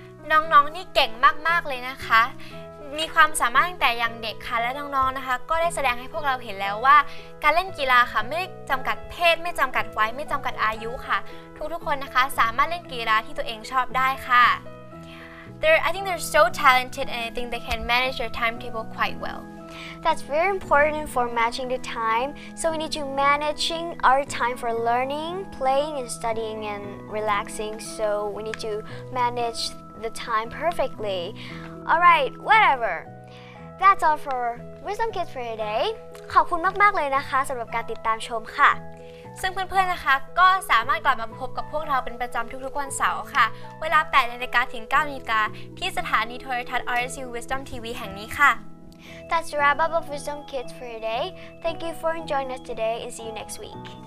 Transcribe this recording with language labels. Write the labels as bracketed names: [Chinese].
[Thai] น้องๆ นี่เก่งมากๆเลยนะคะมีความสามารถตั้งแต่ยังเด็กค่ะและน้องๆ นะคะก็ได้แสดงให้พวกเราเห็นแล้วว่าการเล่นกีฬาค่ะไม่จำกัดเพศไม่จำกัดวัยไม่จำกัดอายุค่ะทุกๆคนนะคะสามารถเล่นกีฬาที่ตัวเองชอบได้ค่ะ [English] I think they're so talented and I think they can manage their timetable quite well That's very important for matching the time. So we need to managing our time for learning, playing, and studying and relaxing. So we need to manage the time perfectly. All right, whatever. That's all for Wisdom Kids for today. [Thai] ขอบคุณมากๆเลยนะคะสำหรับการติดตามชมค่ะ ซึ่งเพื่อนๆ นะคะก็สามารถกลับมาพบกับพวกเราเป็นประจำทุกๆวันเสาร์ค่ะเวลา 8:00 น. ถึง 9:00 น. ที่สถานีโทรทัศน์ RSU Wisdom TV แห่งนี้ค่ะ [English] That's a wrap up of Wisdom Kids for today. Thank you for joining us today and see you next week.